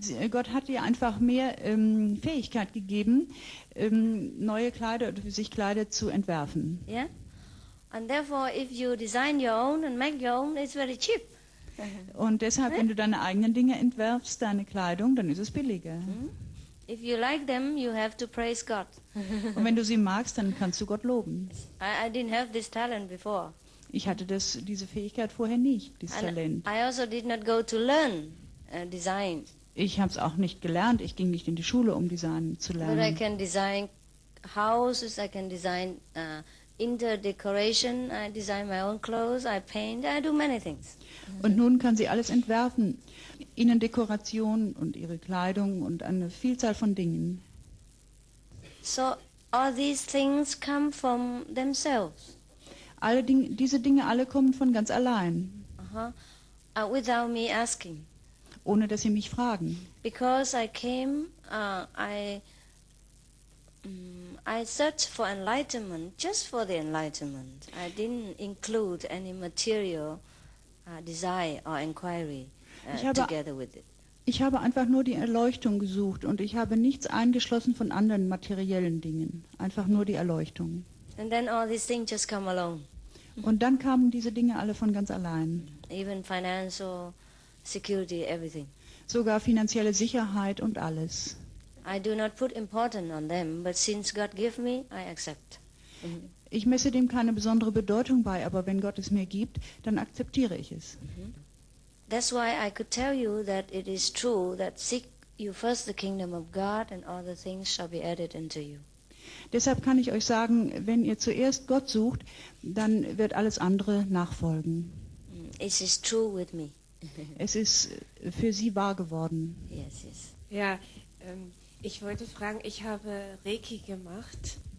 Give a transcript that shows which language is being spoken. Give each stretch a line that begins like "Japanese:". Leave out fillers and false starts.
German: Gott hat dir einfach mehr Fähigkeit gegeben, neue Kleider oder für sich Kleider zu entwerfen. Ja.
English: Yeah? And therefore, if you design your own and make your own, it's very cheap.
German: Und deshalb, wenn du deine eigenen Dinge entwerfst, deine Kleidung, dann ist es billiger.
English: If you like them, you have to praise God.
German: Und wenn du sie magst, dann kannst du Gott loben.
English: I didn't have this talent before.
German: Ich hatte das, diese Fähigkeit vorher nicht, dieses
English: And
German: Talent.
English: I also did not go to learn, design.
German: Ich habe es auch nicht gelernt. Ich ging nicht in die Schule, um Design zu lernen.
English: But I can design houses, I can design inter decoration, I design my own clothes, I paint, I do many things.
German: Und nun kann sie alles entwerfen. Innendekoration und ihre Kleidung und eine Vielzahl von Dingen.
English: So all these things come from themselves.
German: Alle Dinge, diese Dinge alle kommen von ganz allein.
English: Uh-huh. Without me asking.
German: Ohne dass sie mich fragen.
English: Because I came, I searched for enlightenment, just for the enlightenment. I didn't include any material desire or inquiry together with it.
German: Ich habe einfach nur die Erleuchtung gesucht und ich habe nichts eingeschlossen von anderen materiellen Dingen. Einfach nur die Erleuchtung.
English: And then all these things just come along.
German: Und dann kamen diese Dinge alle von ganz allein.
English: Even financial security, everything.
German: Sogar finanzielle Sicherheit und alles.
English: I do not put importance on them, but since God gave me, I accept.
German: Ich messe dem keine besondere Bedeutung bei, aber wenn Gott es mir gibt, dann akzeptiere ich es.
English: That's why I could tell you that it is true that seek you first the kingdom of God and all the things shall be added unto you.
German: Deshalb kann ich euch sagen, wenn ihr zuerst Gott sucht, dann wird alles andere nachfolgen.
English: It is true with me.
German: Es ist für sie wahr geworden.
English: Yes, yes.
German: Ja, ich wollte fragen, ich habe Reiki gemacht.